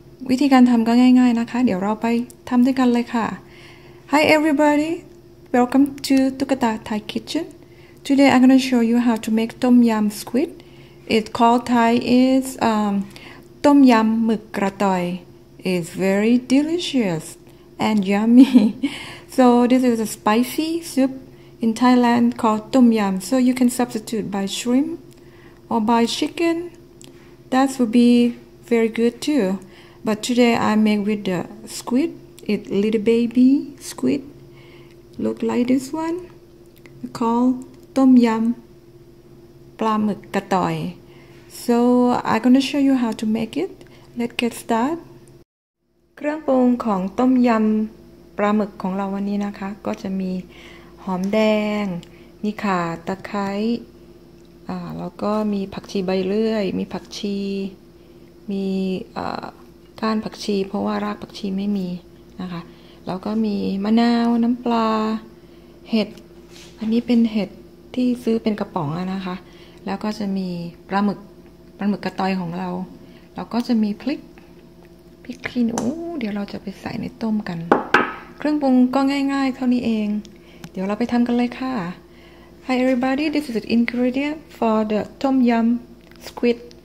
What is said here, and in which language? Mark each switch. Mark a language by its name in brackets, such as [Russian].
[Thai] วิธีการทำก็ง่ายๆนะคะเดี๋ยวเราไปทำด้วยกันเลยค่ะ [English] Hi everybody welcome to Tukata Thai Kitchen today I'm gonna show you how to make tom yam squid it's called Thai is tom yam หมึกกระต่อย is very delicious and yummy so this is a spicy soupIn Thailand, called tom yam. So you can substitute by shrimp or by chicken. That would be very good too. But today I make with the squid. It's little baby squid. Look like this one. Called tom yam. Plum katoy. So I'm gonna show you how to make it. Let's get started. [Thai] เครื่องปรุงของต้มยำปลาหมึกของเราวันนี้นะคะก็จะมีหอมแดงมีข่าตะไคร้แล้วก็มีผักชีใบเลื่อยมีผักชีมี ก้านผักชีเพราะว่ารากผักชีไม่มีนะคะแล้วก็มีมะนาวน้ำปลาเห็ดอันนี้เป็นเห็ดที่ซื้อเป็นกระป๋องนะคะแล้วก็จะมีปลาหมึกปลาหมึกกระต่อยของเราแล้วก็จะมีพริกขี้หนูเดี๋ยวเราจะไปใส่ในต้มกันเครื่องปรุงก็ง่ายๆเท่านี้เองเดี๋ยวเราไปทำกันเลยค่ะ [English] Hi everybody, this is the ingredient for the tom yum squid.